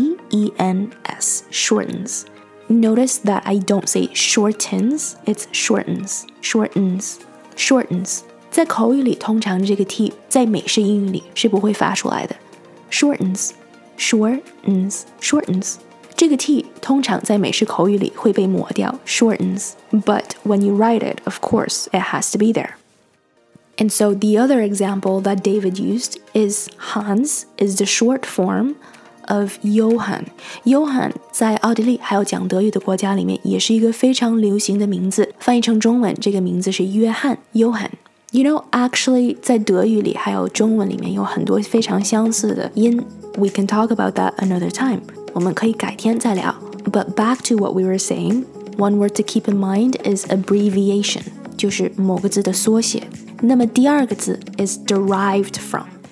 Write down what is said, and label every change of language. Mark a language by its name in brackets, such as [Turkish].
[English] S-H-O-R-T-E-N-S, shortens. Notice that I don't say shortens, it's shortens, shortens, shortens. [Chinese] 在口语里通常这个 T 在美式英语里是不会发出来的。 [English] Shortens, shortens, shortens. [Chinese] 这个 T 通常在美式口语里会被抹掉 shortens. [English] But when you write it, of course, it has to be there. And so the other example that David used is Hans is the short form of Johann. [Chinese] Johann 在奥地利还有讲德语的国家里面也是一个非常流行的名字，翻译成中文这个名字是约翰 Johann。 [English] You know, actually, [Chinese] 在德语里还有中文里面有很多非常相似的音。 [English] We can talk about that another time. [Chinese] 我们可以改天再聊。 [English] But back to what we were saying, one word to keep in mind is abbreviation, [Chinese] 就是某个字的缩写。那么第二个字 [English] is derived from.